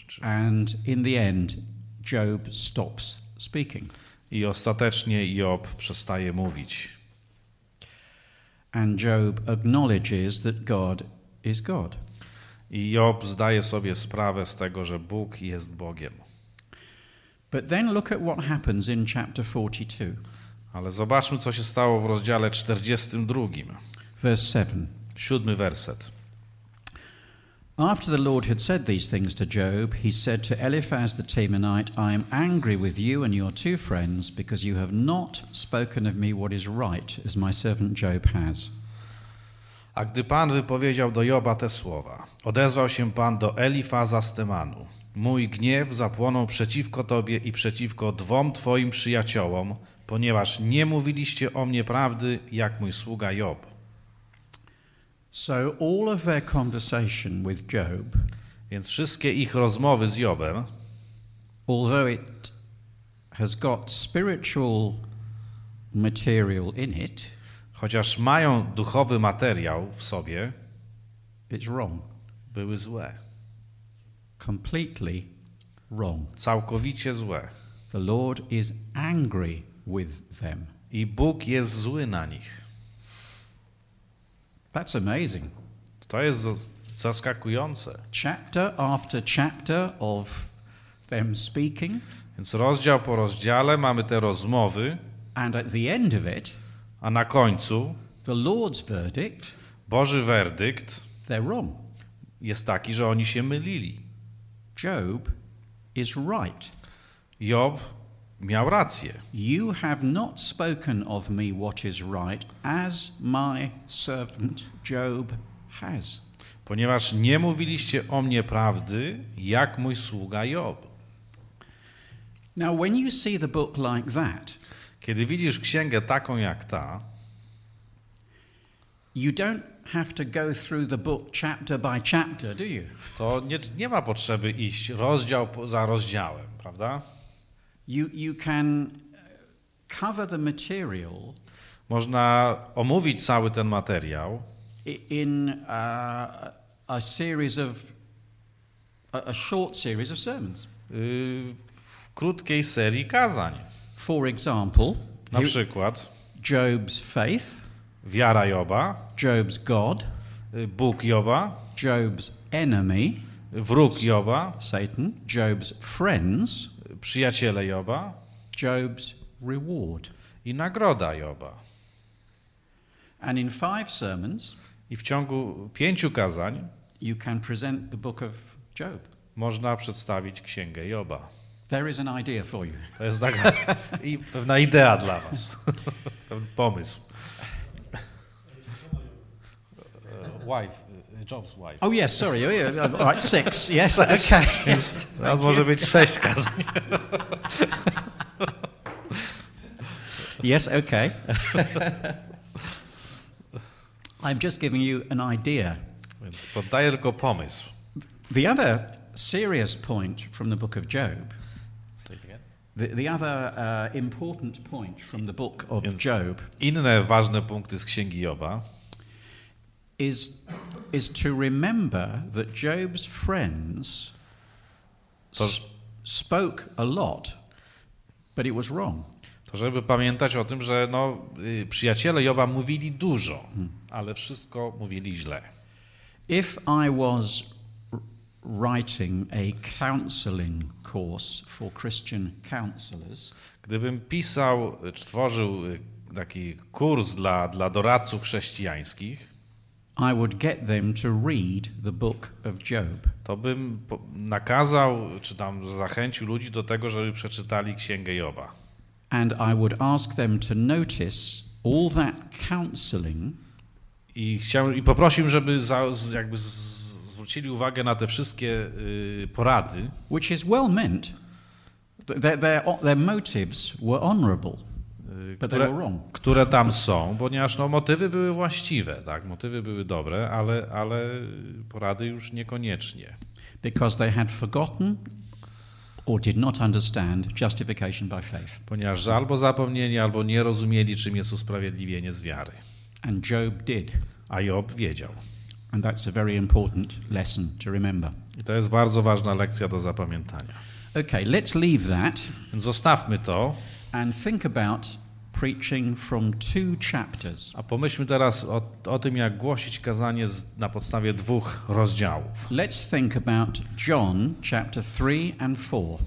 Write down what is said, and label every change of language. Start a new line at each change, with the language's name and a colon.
English: And in the end, Job stops speaking.
Polish: I ostatecznie Job przestaje mówić.
English: And Job acknowledges that God is God.
Polish: I Job zdaje sobie sprawę z tego, że Bóg jest Bogiem.
English: But then look at what happens in chapter 42.
Polish: Ale zobaczmy, co się stało w rozdziale 42.
English: Verse 7.
Polish: Siódmy werset.
English: After the Lord had said these things to Job, he said to Eliphaz the Temanite, I am angry with you and your two friends because you have not spoken of me what is right, as my servant Job has.
Polish: A gdy Pan wypowiedział do Joba te słowa, odezwał się Pan do Elifaza z Temanu. Mój gniew zapłonął przeciwko Tobie i przeciwko dwom Twoim przyjaciołom, ponieważ nie mówiliście o mnie prawdy, jak mój sługa Job.
English: So all of their conversation with Job,
Polish: więc wszystkie ich rozmowy z Jobem,
English: although it has got spiritual material in it,
Polish: chociaż mają duchowy materiał w sobie,
English: it's wrong.
Polish: Były złe.
English: Completely wrong.
Polish: Całkowicie złe.
English: The Lord is angry with them.
Polish: I Bóg jest zły na nich.
English: That's amazing.
Polish: To jest zaskakujące.
English: Chapter after chapter of them speaking.
Polish: Więc rozdział po rozdziale mamy te rozmowy.
English: And at the end of it,
Polish: a na końcu
English: the Lord's verdict,
Polish: Boży werdykt,
English: they're wrong.
Polish: Jest taki, że oni się mylili.
English: Job is right.
Polish: Job miał rację.
English: You have not spoken of me what is right, as my servant Job has.
Polish: Ponieważ nie mówiliście o mnie prawdy, jak mój sługa Job.
English: Now when you see the book like that,
Polish: kiedy widzisz księgę taką jak ta,
English: you don't have to go through the book chapter by chapter, do you?
Polish: To nie ma potrzeby iść rozdział za rozdziałem, prawda?
English: You can cover the material.
Polish: Można omówić cały ten materiał
English: in a series of a short series of sermons.
Polish: W krótkiej serii kazań.
English: For example,
Polish: na przykład
English: Job's faith.
Polish: Wiara Joba.
English: Job's God.
Polish: Bóg Joba.
English: Job's enemy.
Polish: Wróg Joba.
English: Satan. Job's friends.
Polish: Przyjaciele Joba.
English: Job's reward.
Polish: I nagroda Joba.
English: And in five sermons,
Polish: i w ciągu pięciu kazań,
English: you can present the book of Job.
Polish: Można przedstawić księgę Joba.
English: There is an idea for you.
Polish: To jest taka i pewna idea dla was. Pewny pomysł.
English: Wife, Job's wife. Oh yes, sorry. Oh, yeah. All right, six. Yes, sześć. Okay. Yes.
Polish: To może być sześć kazań.
English: Yes, okay. I'm just giving you an idea.
Polish: Więc poddaję tylko pomysł.
English: The other serious point from the book of Job. Say it again. The other important point from the book of Job.
Polish: Inne ważne punkty z księgi Joba.
English: Is to remember that Job's friends spoke a lot, but it was wrong.
Polish: To żeby pamiętać o tym, że no, przyjaciele Joba mówili dużo, ale wszystko mówili źle.
English: If I was writing a counseling course for Christian counselors,
Polish: gdybym pisał czy tworzył taki kurs dla doradców chrześcijańskich,
English: I would get them to read the book of Job.
Polish: To bym nakazał, czy tam zachęcił ludzi do tego, żeby przeczytali księgę Joba.
English: And I would ask them to notice all that counseling.
Polish: I poprosił, żeby jakby zwrócili uwagę na te wszystkie porady.
English: Which is well meant. Their motives were honorable.
Polish: Które tam są, ponieważ no, motywy były właściwe, tak? Motywy były dobre, ale porady już niekoniecznie.
English: Because they had forgotten or did not understand justification by faith.
Polish: Ponieważ albo zapomnieli, albo nie rozumieli, czym jest usprawiedliwienie z wiary.
English: And Job did.
Polish: A Job wiedział.
English: And that's a very important lesson to remember.
Polish: I to jest bardzo ważna lekcja do zapamiętania.
English: Okay, let's leave that.
Polish: Zostawmy to.
English: And think about preaching from two chapters.
Polish: A pomyślmy teraz o tym, jak głosić kazanie na podstawie dwóch rozdziałów.
English: Let's think about John chapter 3 and 4.